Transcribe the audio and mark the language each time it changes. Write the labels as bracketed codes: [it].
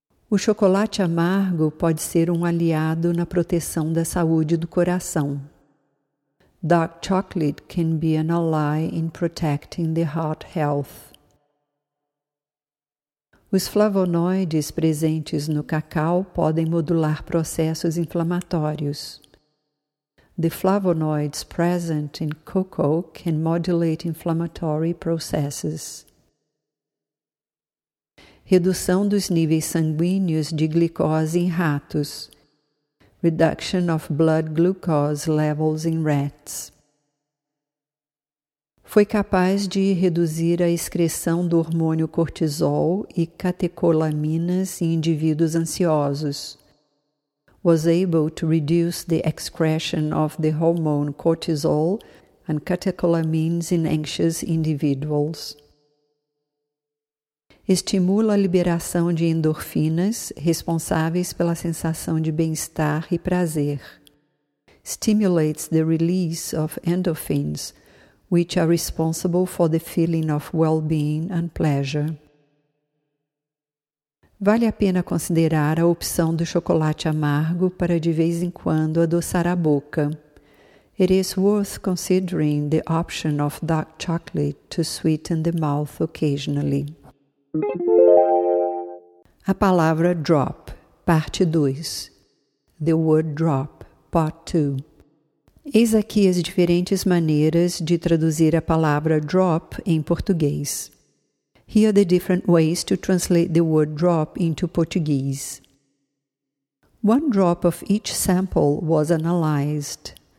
[pt] O chocolate amargo pode ser um aliado na proteção da saúde do coração. [en] Dark chocolate can be an ally in protecting the heart health. [pt] Os flavonoides presentes no cacau podem modular processos inflamatórios. [en] The flavonoids present in cocoa can modulate inflammatory processes. [pt] Redução dos níveis sanguíneos de glicose em ratos. [en] Reduction of blood glucose levels in rats. [pt] Foi capaz de reduzir a excreção do hormônio cortisol e catecolaminas em indivíduos ansiosos. [en] Was able to reduce the excretion of the hormone cortisol and catecholamines in anxious individuals. [pt] Estimula a liberação de endorfinas responsáveis pela sensação de bem-estar e prazer. [en] Stimulates the release of endorphins, which are responsible for the feeling of well-being and pleasure. [pt] Vale a pena considerar a opção do chocolate amargo para de vez em quando adoçar a boca. [en] It is worth considering the option of dark chocolate to sweeten the mouth occasionally. [pt] A palavra drop, parte 2. [en] The word drop, part 2. [pt] Eis aqui as diferentes maneiras de traduzir a palavra drop em português. [en] Here are the different ways to translate the word drop into Portuguese. One drop of each sample was analyzed.